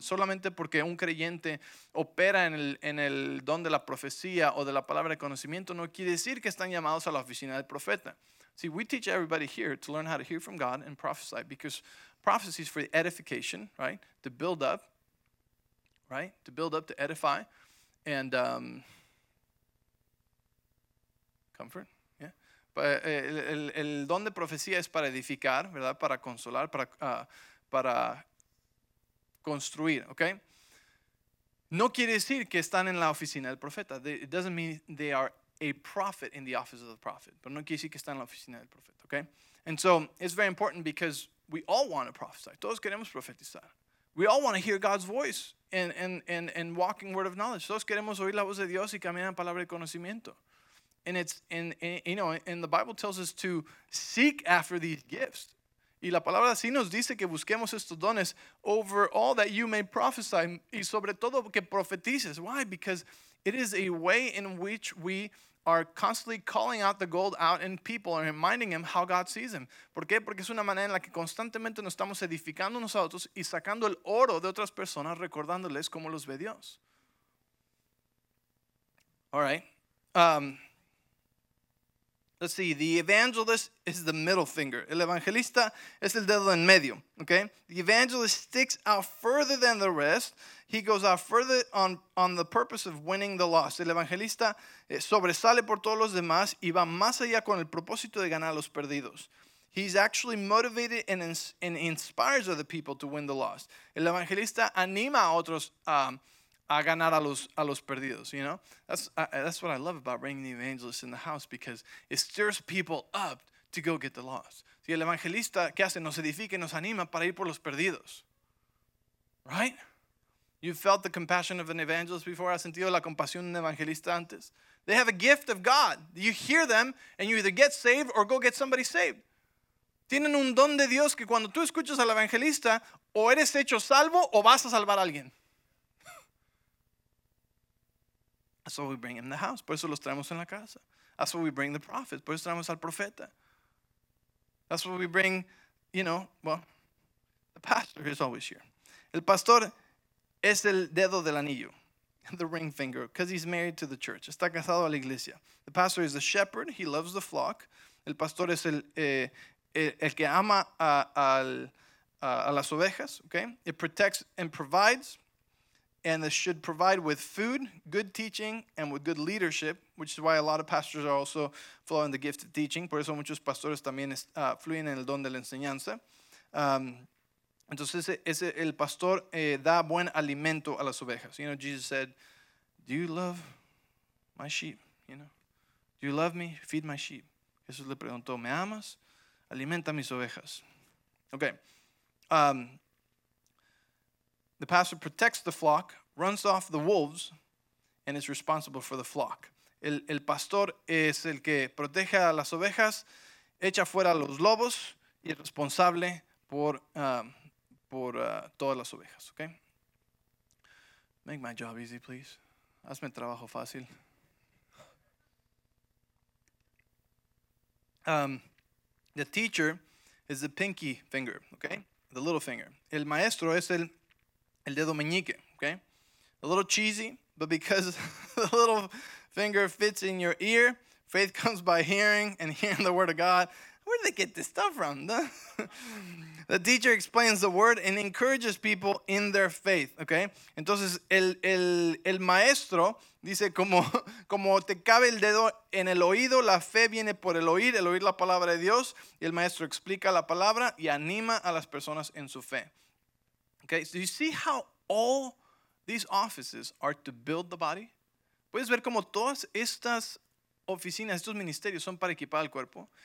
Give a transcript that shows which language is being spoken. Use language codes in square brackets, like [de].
[es] Solamente porque un creyente opera en el don de la profecía o de la palabra de conocimiento no quiere decir que están llamados a la oficina del profeta. [en] See, we teach everybody here to learn how to hear from God and prophesy, because prophecy is for edification, right? To build up, right? To build up, to edify, and comfort, yeah. [es] El don de profecía es para edificar, ¿verdad? Para consolar, para construir, okay? No quiere decir que están en la oficina del profeta. [en] It doesn't mean they are a prophet in the office of the prophet. [es] Pero no quiere decir que están en la oficina del profeta, okay? [en] And so it's very important because we all want to prophesy. [es] Todos queremos profetizar. [en] We all want to hear God's voice and walk in word of knowledge. [es] Todos queremos oír la voz de Dios y caminar en palabra de conocimiento. [en] And it's and the Bible tells us to seek after these gifts. [es] Y la palabra sí nos dice que busquemos estos dones [en] over all that you may prophesy [es] y sobre todo que profetices. [en] Why? Because it is a way in which we are constantly calling out the gold out in people and reminding them how God sees them. [es] ¿Por qué? Porque es una manera en la que constantemente nos estamos edificando nosotros y sacando el oro de otras personas recordándoles cómo los ve Dios. [en] All right. Let's see, the evangelist is the middle finger. [es] El evangelista es el dedo en medio, okay? [en] The evangelist sticks out further than the rest. He goes out further on the purpose of winning the lost. [es] El evangelista sobresale por todos los demás y va más allá con el propósito de ganar a los perdidos. [en] He's actually motivated and inspires other people to win the lost. [es] El evangelista anima a otros a ganar a los perdidos, [en] you know? That's what I love about bringing the evangelist in the house, because it stirs people up to go get the lost. [es] Si el evangelista, ¿qué hace? Nos edifica y nos anima para ir por los perdidos. Right? [en] You felt the compassion of an evangelist before. [es] ¿Has sentido la compasión de un evangelista antes? [en] They have a gift of God. You hear them and you either get saved or go get somebody saved. [es] Tienen un don de Dios que cuando tú escuchas al evangelista, o eres hecho salvo o vas a salvar a alguien. [en] That's what we bring in the house. [es] Por eso los traemos en la casa. [en] That's what we bring the prophet. [es] Por eso traemos al profeta. [en] That's what we bring, you know, well, the pastor is always here. [es] El pastor es el dedo del anillo. [en] The ring finger, because he's married to the church. [es] Está casado a la iglesia. [en] The pastor is the shepherd. He loves the flock. [es] El pastor es el que ama a las ovejas. [en] Okay? It protects and provides. And it should provide with food, good teaching, and with good leadership, which is why a lot of pastors are also flowing the gift of teaching. [es] Por eso muchos pastores también fluyen en el don de la enseñanza. Entonces, ese el pastor da buen alimento a las ovejas. [en] You know, Jesus said, do you love my sheep? You know, do you love me? Feed my sheep. [es] Jesús le preguntó, ¿me amas? Alimenta mis ovejas. Okay. [en] The pastor protects the flock, runs off the wolves, and is responsible for the flock. [es] El pastor es el que protege a las ovejas, echa fuera a los lobos, y es responsable por todas las ovejas, okay? [en] Make my job easy, please. [es] Hazme trabajo fácil. [en] The teacher is the pinky finger, okay? The little finger. [es] El maestro es el dedo meñique, okay? [en] A little cheesy, but because the little finger fits in your ear, faith comes by hearing and hearing the word of God. Where did they get this stuff from? The teacher explains the word and encourages people in their faith, okay? [es] Entonces, el maestro dice, como te cabe el dedo en el oído, la fe viene por el oír la palabra de Dios, y el maestro explica la palabra y anima a las personas en su fe. [en] Okay, so you see how all these offices are to build the body? [es] ¿Puedes ver cómo todas estas oficinas, estos ministerios son para equipar el cuerpo?